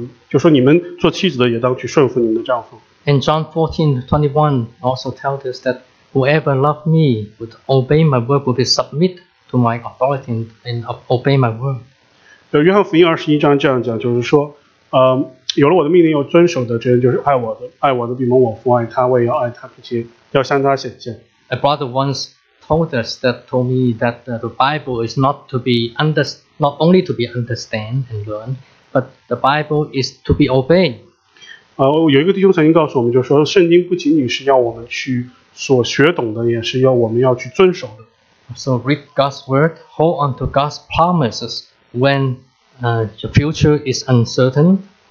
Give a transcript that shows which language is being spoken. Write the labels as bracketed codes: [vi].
[zh] 就像约翰福音这样讲的，就是说，有了我的命令又遵守的，这人就是爱我的，爱我的也，就说你们做妻子的也当去顺服你们的丈夫。 [en] And John 14:21 also tells us that whoever loved me would obey my word, would be submit to my authority and obey my word. [zh] 约翰福音21章这样讲，就是说，有了我的命令要遵守的，这人就是爱我的，爱我的必蒙我父爱，他为要爱他，并且要向他显现。 [en] A brother once told us that told me that the Bible is not to be not only to be understand and learn, but the Bible is to be obeyed. [zh] 有一个弟兄曾经告诉我们，就说圣经不仅仅是要我们去所学懂的，也是要我们要去遵守的。 [en] So read God's word, hold on to God's promises when the future is uncertain.